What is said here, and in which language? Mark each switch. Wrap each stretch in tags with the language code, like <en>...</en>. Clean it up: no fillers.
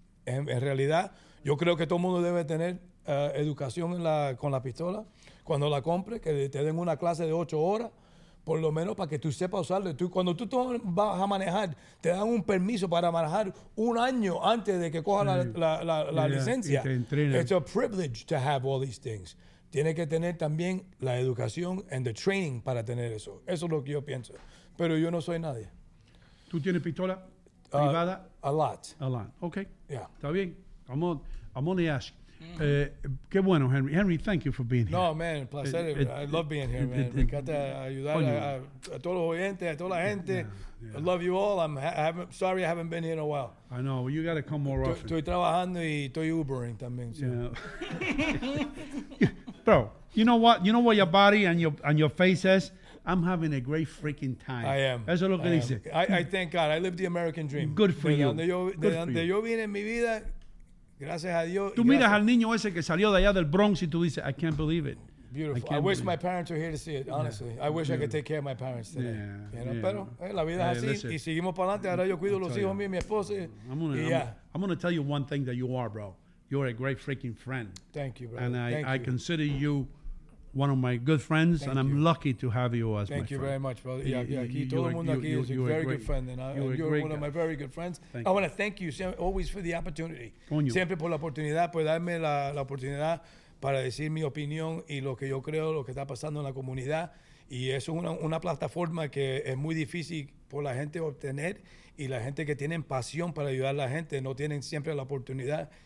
<es>En realidad, yo creo que todo el mundo debe tener educación con la pistola. Cuando la compres, que te den una clase de 8 horas, por lo menos para que tú sepas usarlo. Cuando tú vas a manejar, te dan un permiso para manejar 1 año antes de que coja la licencia. Te entrenan.</es> <en>It's a privilege to have all these things.</en> <es>tiene que tener también la educación</es> <en>and the training</en> <es>para tener eso. Eso es lo que yo pienso. Pero yo no soy nadie. ¿Tú tienes pistola privada?</es> <en>A lot. Okay. Yeah.</en> <es>Está bien.</es> <en>I'm on the ask.</en> <es>Qué bueno, Henry.</es> <en>Henry, thank you for being here. No, man, placer. I love being here, man.</en> <es>Me encanta ayudar a todos los oyentes, a toda la gente.</es> <en>Yeah. I love you all. I'm sorry I haven't been here in a while. I know. Well, you got to come more often.</en> <es>Estoy trabajando y estoy Ubering también. So. Yeah.</es> <en>Bro, you know what? You know what your body and your face says? I'm having a great freaking time. I am.</en> <es>Eso es lo que dice.</es> <en>I thank God. I lived the American dream. Good for you.</en> <es>De donde yo vine en mi vida. Gracias a Dios. Tú miras al niño ese que salió de allá del Bronx y tú dices,</es> <en>I can't believe it. Beautiful. I wish my parents were here to see it, honestly. Yeah. I wish I could take care of my parents today. Yeah.</en> <es>Pero la vida es así.</es> <en>Listen.</en> <es>Y seguimos para adelante. Ahora yo cuido los hijos míos y mi esposa.</es> <en>I'm going to tell you one thing that you are, bro. You're a great freaking friend. Thank you, bro. And I consider you one of my good friends, and I'm lucky to have you as my friend. Thank you very much, brother.</en> <es>Todo el mundo aquí es</es> <en>a very good friend, and you're one of my very good friends. I want to thank you always for the opportunity.</en> <es>Coño. Siempre por la oportunidad, por darme la oportunidad para decir mi opinión y lo que yo creo, lo que está pasando en la comunidad. Y es una plataforma que es muy difícil por la gente obtener, y la gente que tiene pasión para ayudar a la gente no tienen siempre la oportunidad.</es>